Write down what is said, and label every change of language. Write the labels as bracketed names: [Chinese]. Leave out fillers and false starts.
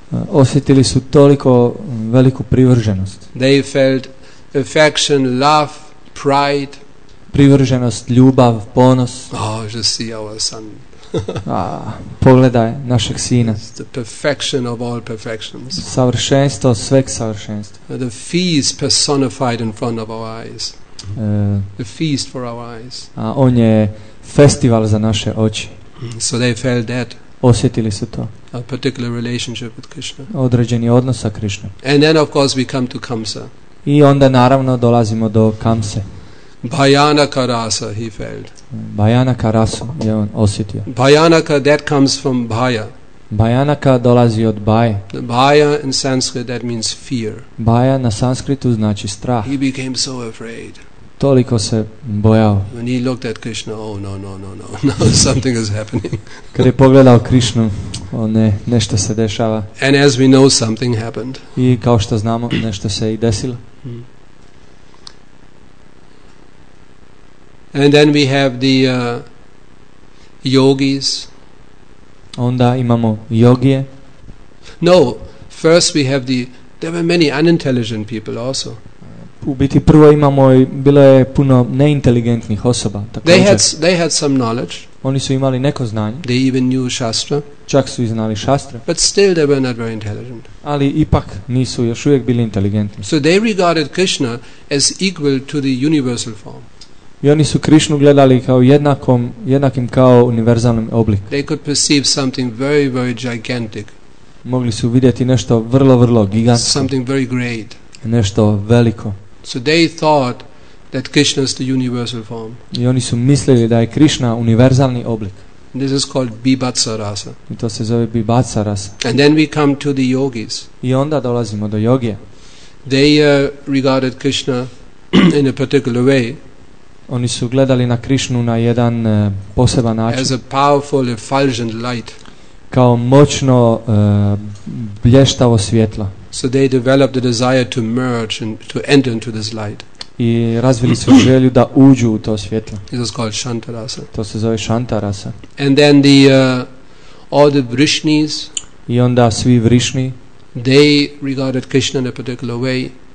[Croatian] Osjetili su toliko veliku privrženost. [English] They felt affection, love, pride. [Croatian] Privrženost, ljubav, ponos. [English] Oh, just see our son. [Croatian] A pogledaj našeg sina. [English] The perfection of all perfections. [Croatian] Savršenstvo sveg savršenstva. [English] The feast personified in front of our eyes. The feast for our eyes. [Croatian] A on je festival za naše oči. [English] So they felt that. [Croatian] Osjetili su to. [English] A particular relationship with Krishna. [Croatian] Određeni odnos sa Krishnom. [English] And then of course we come to Kamsa. [Croatian] I onda naravno dolazimo do Kamse. [English] Bhayanaka rasa he felt. [Croatian] Bhayanaka rasa je on osjetio. [English] Bhayanaka, that comes from bhaya. [Croatian] Bhayanaka dolazi od baje. [English] Bhaya in Sanskrit, that means fear. [Croatian] Baja na sanskritu znači strah. [English] He became so afraid. [Croatian] Toliko se bojao. [English] When he looked at Krishna, oh no, no, no, no, no, something is happening. [Croatian] Kad je pogledao Krishnu, o ne, nešto se dešava. [English] And as we know, something happened. [Croatian] I kao što znamo, nešto se i desilo. [English] And then we have the yogis. [Croatian] Onda imamo yogije. [English] No, first we have the, there were many unintelligent people also. [Croatian] U biti prvo imamo i bilo je puno neinteligentnih osoba također. [English] They had some knowledge. [Croatian] Oni su imali neko znanje. [English] They even knew shastra. [Croatian] Čak su i znali šastra. [English] But still they were not very intelligent. [Croatian] Ali ipak nisu još uvijek bili inteligentni. [English] So they regarded Krishna as equal to the universal form. [Croatian] I oni su Krishnu gledali kao jednakom, jednakim kao univerzalnim oblik. [English] They could perceive something very, very gigantic. [Croatian] Mogli su vidjeti nešto vrlo, vrlo gigantsko. [English] Something very great. [Croatian] Nešto veliko. [English] So they thought that Krishna is the universal form. [Croatian] I oni su mislili da je Krishna univerzalni oblik. [English] This is called bibhatsa rasa. [Croatian] I to se zove bibhatsa rasa. [English] And then we come to the yogis. [Croatian] I onda dolazimo do yogija. [English] They regarded Krishna in a particular way. [Croatian] Oni su gledali na Krishnu na jedan poseban način. [English] As a powerful effulgent light. [Croatian] Kao moćno blještavo svjetlo. [English] So they developed the desire to merge and to enter into this light. [Croatian] I razvili su želju da uđu u to svjetlo. [English] It was called Shantarasa. [Croatian] To se zove Shantarasa. [English] And then the all the Vrishnis. [Croatian] I onda svi Vrishni. [English] They regarded Krishna in a particular way.